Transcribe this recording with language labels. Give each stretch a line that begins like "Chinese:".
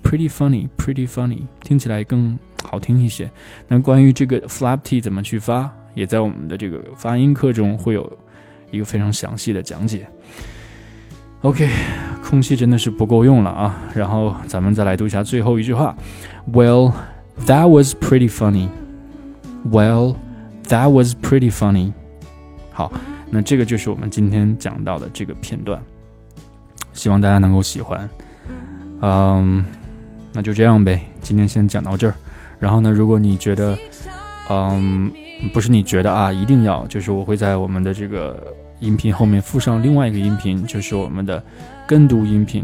English: pretty funny
Chinese: 听起来更好听一些。那关于这个 flap T 怎么去发，也在我们的这个发音课中会有一个非常详细的讲解。 OK， 空气真的是不够用了啊，然后咱们再来读一下最后一句话。
English: Well, that was pretty funnyWell, that was pretty funny.
Chinese: 好，那这个就是我们今天讲到的这个片段，希望大家能够喜欢。那就这样呗，今天先讲到这儿。然后呢，如果你觉得，不是你觉得啊，一定要，就是我会在我们的这个音频后面附上另外一个音频，就是我们的跟读音频。